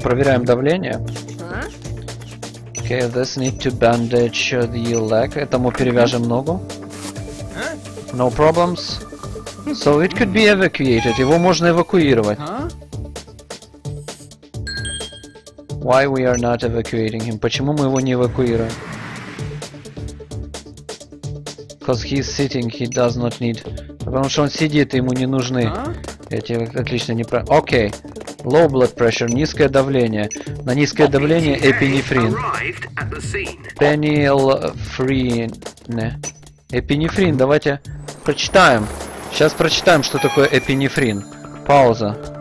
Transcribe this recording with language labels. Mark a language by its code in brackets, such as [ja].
[ru] Проверяем давление. [en] Okay, this need to bandage the leg. [ru] Этому перевяжем ногу. [en] No problems. So it could be evacuated. [ru] Его можно эвакуировать. [en] Why we are not evacuating him? [ru] Почему мы его не эвакуируем? [en] Because he is sitting, he does not need... [ru] Потому что он сидит, ему не нужны эти... Отлично, не прав... Окей. [en] Low blood pressure, [ru] низкое давление. На низкое давление эпинефрин. Пенилфрине. Эпинефрин, давайте прочитаем. Сейчас прочитаем, что такое эпинефрин. Пауза.